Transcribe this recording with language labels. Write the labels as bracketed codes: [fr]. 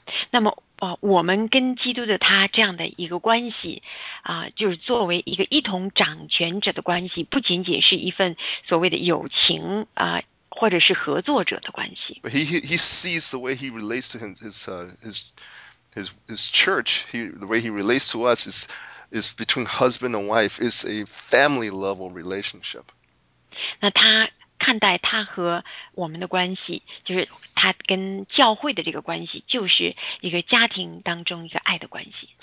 [zh] 那么，我们跟基督的他这样的一个关系，就是作为一个一同掌权者的关系，不仅仅是一份所谓的友情或者是合作者的关系。 [en] He sees the way he relates to his church, the way he relates to us is between husband and wife, is a family level relationship. [zh] 那他看待他和我们的关系，就是他跟教会的这个关系，就是一个家庭当中一个爱的关系。